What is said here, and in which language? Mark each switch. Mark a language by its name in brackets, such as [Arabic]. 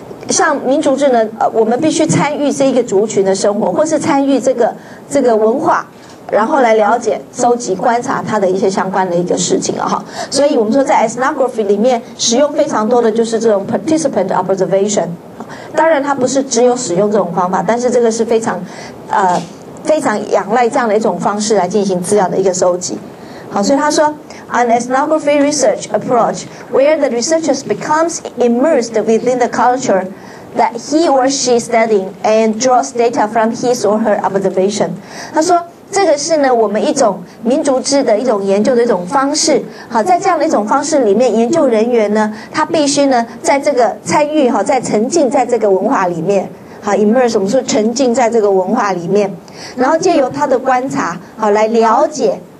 [Chinese] 像民族智能，我们必须参与这一个族群的生活，或是参与这个文化，然后来了解、收集、观察它的一些相关的一个事情啊哈。所以我们说，在 ethnography 里面使用非常多的就是这种 participant observation。当然，它不是只有使用这种方法，但是这个是非常，非常仰赖这样的一种方式来进行资料的一个收集。好，所以他说 [English] ，an ethnography research approach where the researcher becomes immersed within the culture that he or she studying and draws data from his or her observation。 [Chinese] 他说，这个是呢，我们一种民族志的一种研究的一种方式。好，在这样的一种方式里面，研究人员呢，他必须呢，在这个参与哈，在沉浸在这个文化里面。好 ，immerse 我们说沉浸在这个文化里面，然后借由他的观察，好来了解。